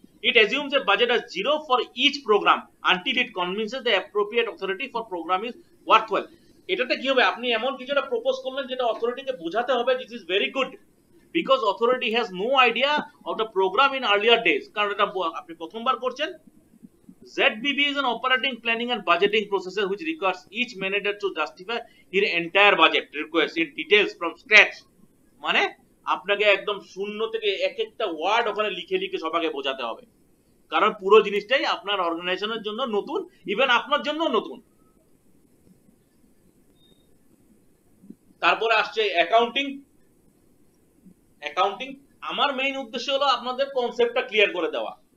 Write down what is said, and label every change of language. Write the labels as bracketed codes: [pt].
[en] It assumes a budget are zero for each program until it convinces the appropriate authority for program is worthwhile. [bn] এটাতে কি হবে, আপনি এমন কিছু একটা প্রপোজ করলেন যেটা অথরিটিকে বোঝাতে হবে [en] this is very good, because authority has no idea of the program in earlier days, [bn] কারণ এটা আপনি প্রথমবার করছেন. [en] ZBB is an operating planning and budgeting process which requires each manager to justify his entire budget request in details from scratch. [bn] মানে আপনাকে একদম শূন্য থেকে এক একটা ওয়ার্ড ওখানে লিখে লিখে সবাইকে বোঝাতে হবে, কারণ পুরো জিনিসটাই আপনার অর্গানাইজেশনের জন্য নতুন, ইভেন আপনার জন্য নতুন. তারপরে আসছে অ্যাকাউন্টিং. অ্যাকাউন্টিং আমার মেইন উদ্দেশ্য হলো আপনাদের কনসেপ্টটা ক্লিয়ার করে দেওয়া.